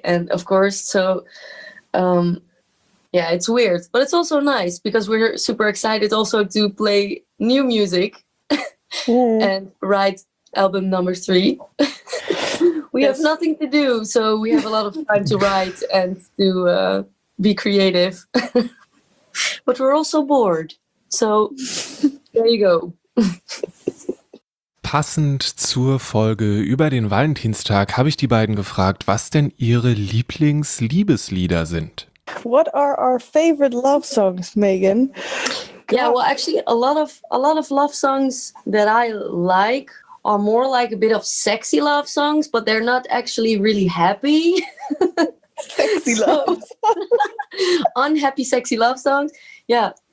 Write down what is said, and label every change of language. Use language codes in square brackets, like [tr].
[en] And of course, so yeah, it's weird, but it's also nice because we're super excited also to play new music and write album number 3. We have nothing to do, so we have a lot of time to write and to... be creative, but we're also bored. So there you go. [de] Passend zur Folge über den Valentinstag habe ich die beiden gefragt, was denn ihre Lieblingsliebeslieder sind. [en] What are our favorite love songs, Megan? Yeah, well, actually, a lot of love songs that I like are more like a bit of sexy love songs, but they're not actually really happy. Sexy love songs. Unhappy sexy love songs. Yeah.